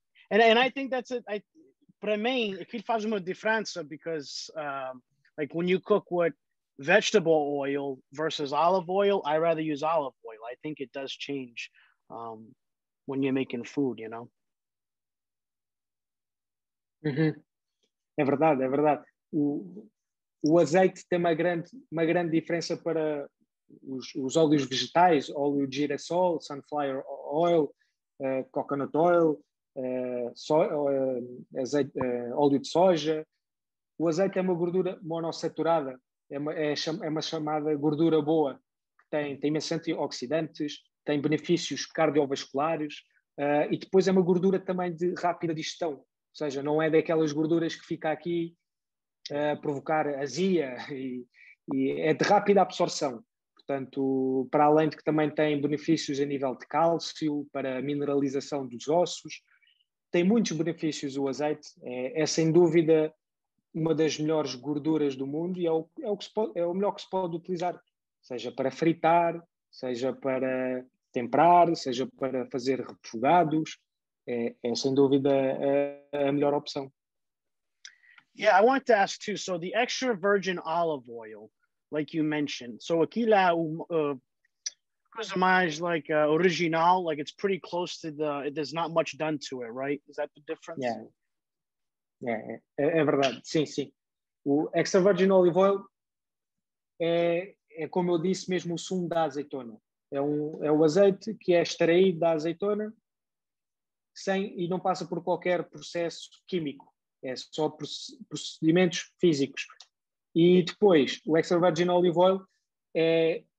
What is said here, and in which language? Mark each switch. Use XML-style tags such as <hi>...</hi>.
<en>And I think that's it.</en> <pt>Para mim, aquilo faz uma diferença,</pt> <en>because like when you cook with vegetable oil versus olive oil, I rather use olive oil. I think it does change when you're making food, you know?</en> <pt>Uhum. É verdade. O azeite tem uma grande diferença para os óleos vegetais, óleo de girassol,</pt> <en>sunflower oil, coconut oil,</en> <pt>óleo de soja. O azeite é uma gordura monossaturada, é uma chamada gordura boa, que tem imensos antioxidantes, tem benefícios cardiovasculares, e depois é uma gordura também de rápida digestão. Ou seja, não é daquelas gorduras que fica aqui a provocar azia, e é de rápida absorção. Portanto, para além de que também tem benefícios a nível de cálcio, para a mineralização dos ossos, tem muitos benefícios o azeite. É sem dúvida uma das melhores gorduras do mundo, e é o melhor que se pode utilizar, seja para fritar, seja para temperar, seja para fazer refogados. É sem dúvida a melhor opção.</pt> <en>Yeah, I want to ask too, so the extra virgin olive oil, like you mentioned,</en> <pt>so aquilo é coisa mais</pt> <en>like original, like it's pretty close to there's not much done to it, right? Is that the difference? Yeah,</en> <pt>é verdade, sim. O extra virgin olive oil é como eu disse mesmo, o sumo da azeitona. É o azeite que é extraído da azeitona, e não passa por qualquer processo químico, é só procedimentos físicos. E depois, o extra virgin olive oil é</pt>